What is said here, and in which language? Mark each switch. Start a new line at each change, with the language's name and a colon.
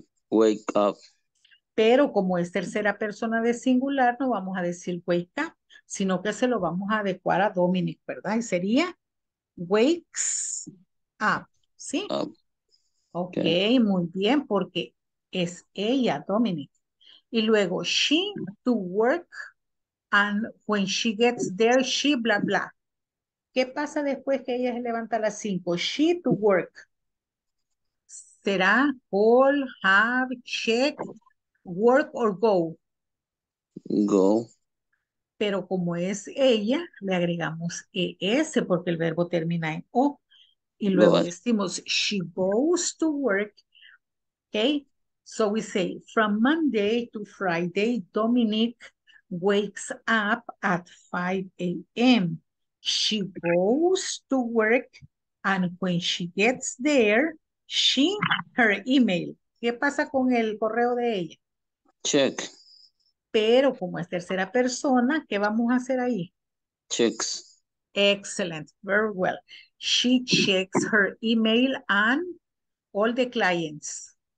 English: Wake up.
Spanish: Pero como es tercera persona de singular, no vamos a decir wake up, sino que se lo vamos a adecuar a Dominic, ¿verdad? Y sería wakes up, ¿sí? Okay, muy bien, porque es ella, Dominic. Y luego,
English: she to work, and when she gets there, she bla bla.
Spanish: ¿Qué pasa después que ella se levanta a las 5?
English: She to work. ¿Será call, have, check, work or go? Go.
Spanish: Pero como es ella, le agregamos ES porque el verbo termina en O. Y luego decimos,
English: she goes to work. Okay. So we say, from Monday to Friday, Dominique wakes up at 5 a.m. She goes to work, and when she gets there, she, her email.
Spanish: ¿Qué pasa con el correo de ella?
English: Check.
Spanish: Pero como es tercera persona, ¿qué vamos a hacer ahí?
English: Checks. Excellent. Very well. She checks her email and all the clients.